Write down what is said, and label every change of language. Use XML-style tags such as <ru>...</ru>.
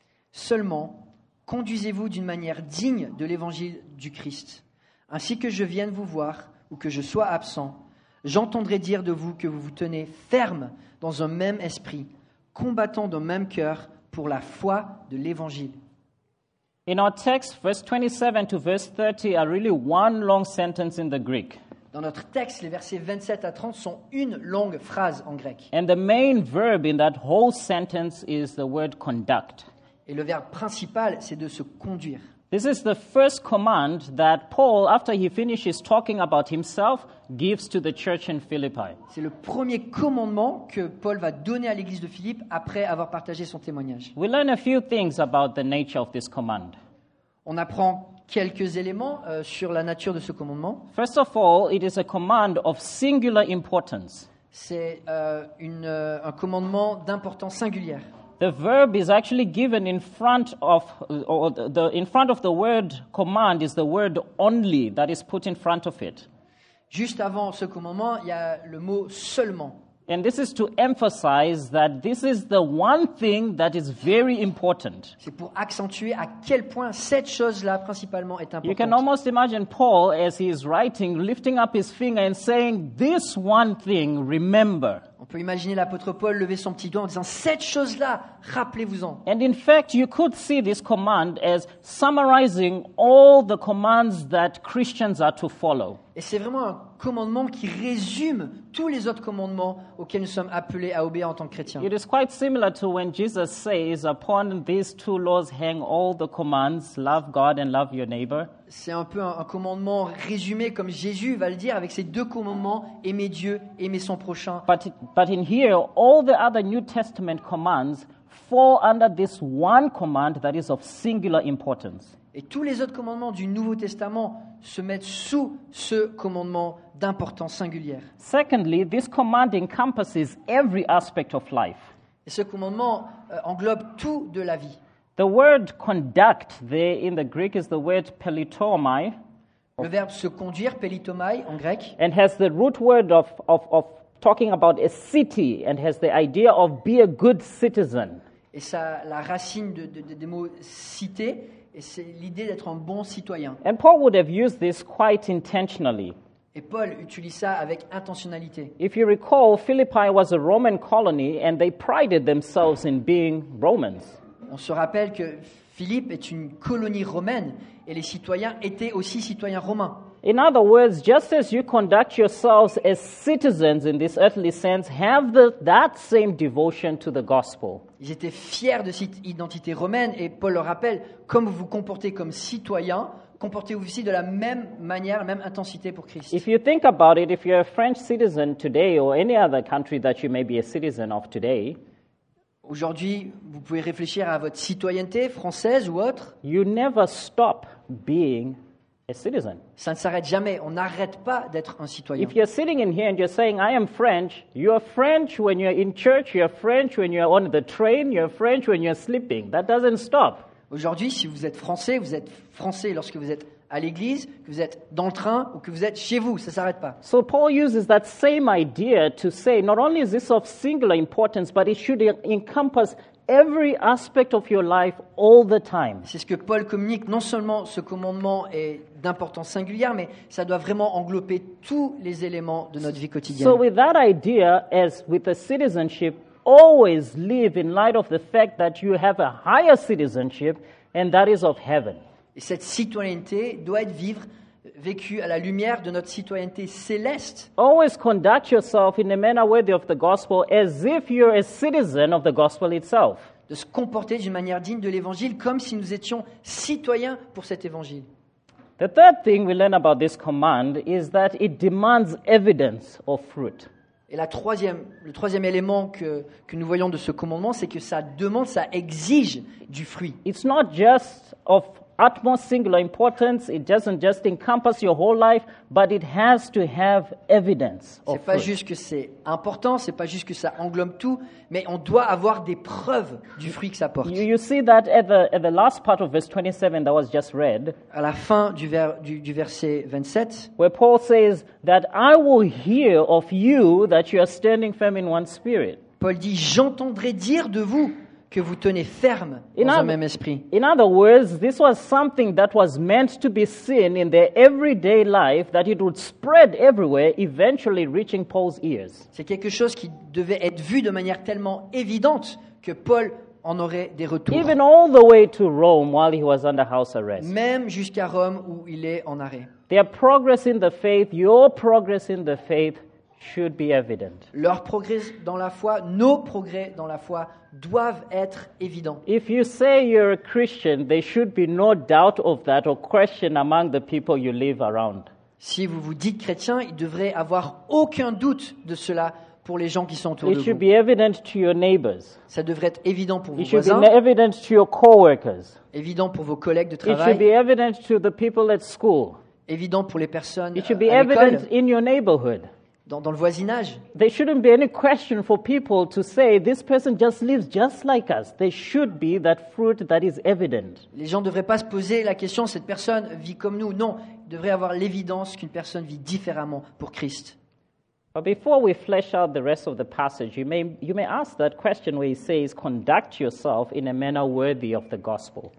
<fr>Seulement, conduisez-vous d'une manière digne de l'évangile du Christ. Ainsi que je vienne vous voir ou que je sois absent, j'entendrai dire de vous que vous vous tenez ferme dans un même esprit, combattant d'un même cœur pour la foi de l'Évangile.</fr> <en>In our text, verse 27 to verse 30 are really one long sentence in the Greek.</en> <fr>Dans notre texte, les versets 27 à 30 sont une longue phrase en grec.</fr> <en>And the main verb in that whole sentence is the word conduct.</en> <fr>Et le verbe principal, c'est de se conduire.</fr> <en>This is the first command that Paul, after he finishes talking about himself, gives to the church in Philippi.</en> <fr>C'est le premier commandement que Paul va donner à l'église de Philippe après avoir partagé son témoignage.</fr> <en>We learn a few things about the nature of this command.</en> <fr>On apprend quelques éléments sur la nature de ce commandement.</fr> <en>First of all, it is a command of singular importance.</en> <fr>C'est un commandement d'importance singulière.</fr> <en>The verb is actually given in front of the word command is the word only that is put in front of it.</en> <fr>Juste avant ce commandement, il y a le mot seulement.</fr> <en>And this is to emphasize that this is the one thing that is very important.</en> <fr>C'est pour accentuer à quel point cette chose-là principalement est importante.</fr> <en>You can almost imagine Paul as he is writing, lifting up his finger and saying, "This one thing, remember."</en> <fr>On peut imaginer l'apôtre Paul lever son petit doigt en disant, cette chose-là, rappelez-vous-en.</fr> <en>And in fact, you could see this command as summarizing all the commands that Christians are to follow.</en> <fr>Et c'est vraiment un commandement qui résume tous les autres commandements auxquels nous sommes appelés à obéir en tant que chrétiens.</fr> <en>It is quite similar to when Jesus says, upon these two laws hang all the commands, love God and love your neighbor.</en> <fr>C'est un peu un commandement résumé, comme Jésus va le dire, avec ces deux commandements, aimer Dieu, aimer son prochain.</fr> <en>But in here, all the other New Testament commands fall under this one command that is of singular importance.</en> <fr>Et tous les autres commandements du Nouveau Testament se mettent sous ce commandement d'importance singulière.</fr> <en>Secondly, this command encompasses every aspect of life.</en> <fr>Et ce commandement englobe tout de la vie.</fr> <en>The word conduct there in the Greek is the word pelitomai.</en> <fr>Le verbe se conduire, pelitomai, en grec.</fr> <en>And has the root word of talking about a city and has the idea of be a good citizen.</en> <fr>Et ça, la racine de mot cité, et c'est l'idée d'être un bon citoyen.</fr> <en>And Paul would have used this quite intentionally.</en> <fr>Et Paul utilise ça avec intentionnalité.</fr> <en>If you recall, Philippi was a Roman colony and they prided themselves in being Romans.</en> <fr>On se rappelle que Philippe est une colonie romaine et les citoyens étaient aussi citoyens romains.</fr> <en>In other words, just as you conduct yourselves as citizens in this earthly sense, have that same devotion to the gospel.</en> <fr>Ils étaient fiers de cette identité romaine et Paul leur rappelle, comme vous vous comportez comme citoyens, comportez-vous aussi de la même manière, la même intensité pour Christ.</fr> <en>If you think about it, if you're a French citizen today or any other country that you may be a citizen of today,</en> <fr>aujourd'hui, vous pouvez réfléchir à votre citoyenneté française ou autre.</fr> <en>You never stop being a citizen.</en> <fr>Ça ne s'arrête jamais. On n'arrête pas d'être un citoyen.</fr> <en>If you're sitting in here and you're saying, I am French, you're French when you're in church, you're French when you're on the train, you're French when you're sleeping. That doesn't stop.</en> <fr>Aujourd'hui, si vous êtes français, vous êtes français lorsque vous êtes à l'église, que vous êtes dans le train ou que vous êtes chez vous, ça ne s'arrête pas.</fr> <en>So Paul uses that same idea to say, not only is this of singular importance, but it should encompass every aspect of your life all the time.</en> <fr>C'est ce que Paul communique, non seulement ce commandement est d'importance singulière, mais ça doit vraiment englober tous les éléments de notre vie quotidienne.</fr> <en>So with that idea, as with the citizenship, always live in light of the fact that you have a higher citizenship, and that is of heaven.</en> <fr>Et cette citoyenneté doit être vécue à la lumière de notre citoyenneté céleste.</fr> <en>Always conduct yourself in a manner worthy of the gospel, as if you're a citizen of the gospel itself.</en> <fr>De se comporter d'une manière digne de l'évangile, comme si nous étions citoyens pour cet évangile.</fr> <en>The third thing we learn about this command is that it demands evidence of fruit.</en> <fr>Et la troisième, le troisième élément que nous voyons de ce commandement, c'est que ça demande, ça exige du fruit.</fr> <en>It's not just of utmost singular importance, it doesn't just encompass your whole life, but it has to have evidence of fruit.</en> <fr>C'est pas juste que c'est important, c'est pas juste que ça englobe tout, mais on doit avoir des preuves du fruit que ça porte.</fr> <en>You see that at the last part of verse 27 that was just read,</en> <fr>à la fin du verset 27,</fr> <en>where Paul says that I will hear of you that you are standing firm in one spirit.</en> <fr>Paul dit, j'entendrai dire de vous que vous tenez ferme dans un même esprit.</fr> <en>In other words, this was something that was meant to be seen in their everyday life, that it would spread everywhere, eventually reaching Paul's ears.</en> <fr>C'est quelque chose qui devait être vu de manière tellement évidente que Paul en aurait des retours.</fr> <en>Even all the way to Rome while he was under house arrest.</en> <fr>Même jusqu'à Rome où il est en arrêt.</fr> <en>Their progress in the faith, your progress in the faith, should be evident.</en> <fr>Leur progrès dans la foi, nos progrès dans la foi doivent être évidents.</fr> <en>If you say you're a Christian, there should be no doubt of that or question among the people you live around.</en> <fr>Si vous vous dites chrétien, il devrait avoir aucun doute de cela pour les gens qui sont autour de vous.</fr> <en>It should be evident to your neighbors.</en> <fr>Ça devrait être évident pour vos voisins.</fr> <en>It should be evident to your coworkers.</en> <fr>Évident pour vos collègues de travail.</fr> <en>It should be evident to the people at school.</en> <fr>Évident pour les personnes à l'école.</fr> <en>It should be evident in your neighborhood.</en> <fr>Dans le voisinage.</fr> <en>There shouldn't be any question for people to say this person just lives just like us. There should be that fruit that is evident.</en> <fr>Les gens ne devraient pas se poser la question, cette personne vit comme nous. Non, il devrait avoir l'évidence qu'une personne vit différemment pour Christ.</fr> <en>But before we flesh out the rest of the passage, you may ask that question where he says, conduct yourself in a manner worthy of the gospel.</en>